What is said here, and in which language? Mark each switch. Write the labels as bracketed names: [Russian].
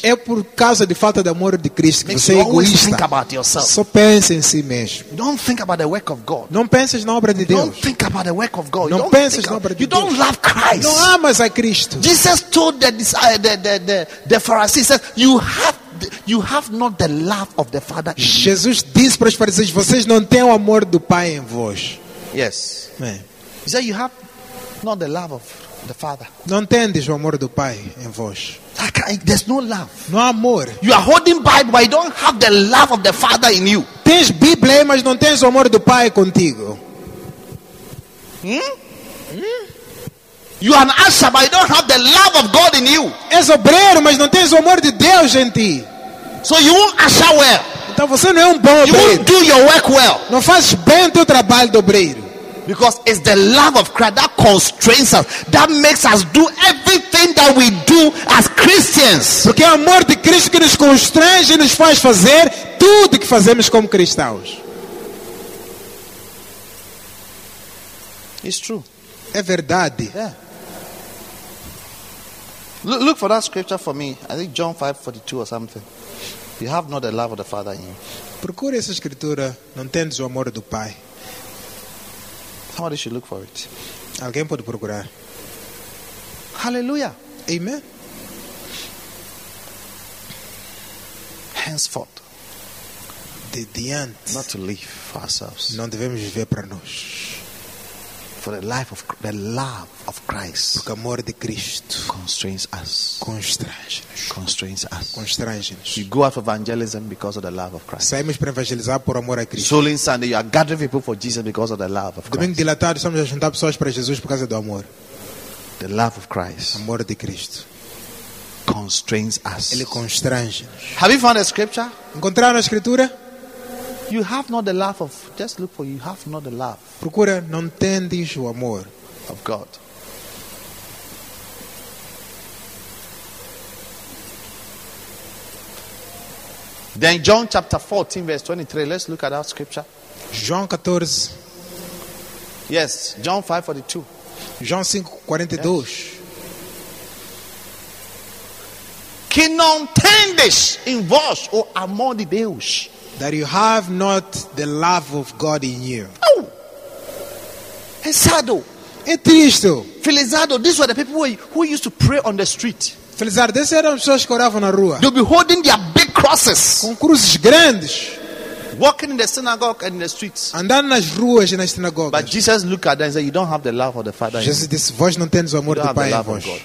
[Portuguese] É por causa de falta de amor de Cristo que você é egoísta. [English] Think about yourself. [Portuguese] Só pense em si mesmo. [English] Don't think about the work of God. [Portuguese] Não penses na obra de Deus. [English] Don't think about the work of God. [Portuguese] Não penses na obra de Deus. [English] You don't love Christ. [Portuguese] Não amas a Cristo. [English] Jesus told the Pharisees, says, you have not the love of the Father. [Portuguese] Jesus disse para os fariseus, vocês não têm o amor do Pai em vós. [English] Yes. [Portuguese] É. [English] He said, you have not the love of the Father. [Portuguese] Não tendes o amor do Pai em vós. [English] There's no love. [Portuguese] Não há amor. [English] You are holding Bible, but you don't have the love of the Father in you. [Portuguese] Tens Bíblia, mas não tens o amor do Pai contigo. [English] You are an usher, but you don't have the love of God in you. [Portuguese] És obreiro, mas não tens o amor de Deus em ti. [English] So you won't usher well. [Portuguese] Então você não é um bom obreiro. [English] You won't do your work well. [Portuguese] Não fazes bem teu trabalho de obreiro. [English] Because it's the love of Christ that constrains us, that makes us do everything that we do as Christians. [Portuguese] Porque é o amor de Cristo que nos constrange e nos faz fazer tudo que fazemos como cristãos. [English] It's true. [Portuguese] É verdade. [English] Yeah. Look for that scripture for me. I think John 5:42 or something. You have not the love of the Father in you. [Portuguese] Procure essa escritura. Não tens o amor do Pai. [English] Somebody should look for it. [Portuguese] Alguém pode procurar. [English] Hallelujah. Amen. Henceforth, [Portuguese] de diante, [English] not to live for ourselves. [Portuguese] Não devemos viver para nós. [English] For the love of Christ. [Portuguese] Porque o amor de Cristo [English] constrains us. [Portuguese] Constrange-nos. [English] Constrains us. [Portuguese] Constrange-nos. [English] We go out for evangelism because of the love of Christ. [Portuguese] Saímos para evangelizar por amor a Cristo. [English] Souling Sunday, you are gathering people for Jesus because of the love of Christ. [Portuguese] Domingo [Spanish] de la tarde, [Portuguese] estamos a juntar pessoas para Jesus por causa do amor. [English] The love of Christ. [Portuguese] Amor de Cristo. [English] Constrains us. [Portuguese] Ele constrange-nos. [English] Have you found a scripture? [Portuguese] Encontraram a escritura? [English] You have not the love of. Just look for you have not the love. [Portuguese] Procura, não tendes o amor [English] of God. Then John chapter 14 verse 23. Let's look at that scripture. [Portuguese] João 14. [English] Yes, John 5:42. [Portuguese] João 5:42. Que não tendes em vós o amor de Deus. [English] That you have not the love of God in you. [Portuguese] Oh, é sad. É triste. [English] Felizardo, these were the people who used to pray on the street. Felizardo, these were the people who [Portuguese] oravam na rua. [English] They'll be holding their big crosses. [Portuguese] Com cruzes grandes. [English] Walking in the synagogue and in the streets. [Portuguese] Andando nas ruas e nas sinagogas. [English] But Jesus looked at them and said, "You don't have the love of the Father." [Portuguese] Jesus disse, "Vós não tens o amor do Pai em vós."